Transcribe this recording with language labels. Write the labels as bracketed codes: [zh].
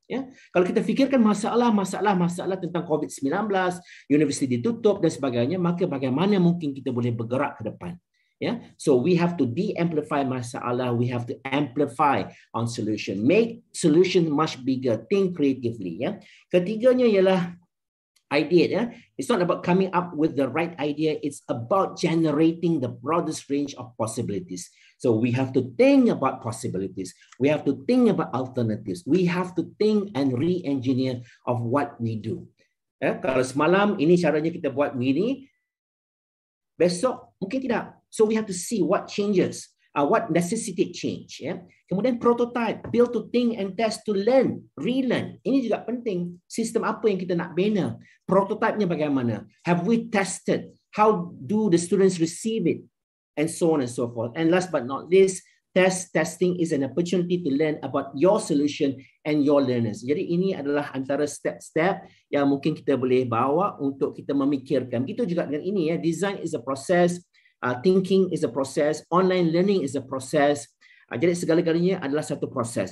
[ms] Yeah? Kalau kita fikirkan masalah, masalah, masalah tentang COVID-19, universiti ditutup dan sebagainya, maka bagaimana mungkin kita boleh bergerak ke depan? [en] Yeah, so we have to de-amplify masalah. We have to amplify on solution. Make solution much bigger. Think creatively. [ms] Yeah, ketiganya ialah idea. [en] Yeah, it's not about coming up with the right idea. It's about generating the broadest range of possibilities. So we have to think about possibilities. We have to think about alternatives. We have to think and re-engineer of what we do. [ms] Yeah, kalau semalam ini caranya kita buat begini, besok mungkin tidak. [en] So we have to see what changes, what necessity change. Yeah? [ms] Kemudian [en] prototype, build to think and test to learn, relearn. [ms] Ini juga penting. Sistem apa yang kita nak bina? Prototype-nya bagaimana? [en] Have we tested? How do the students receive it? And so on and so forth. And last but not least, testing is an opportunity to learn about your solution and your learners. [ms] Jadi ini adalah antara step-step yang mungkin kita boleh bawa untuk kita memikirkan. Begitu juga dengan ini. [en] Yeah? Design is a process. Thinking is a process. Online learning is a process. [ms] Jadi segala-galanya adalah satu proses.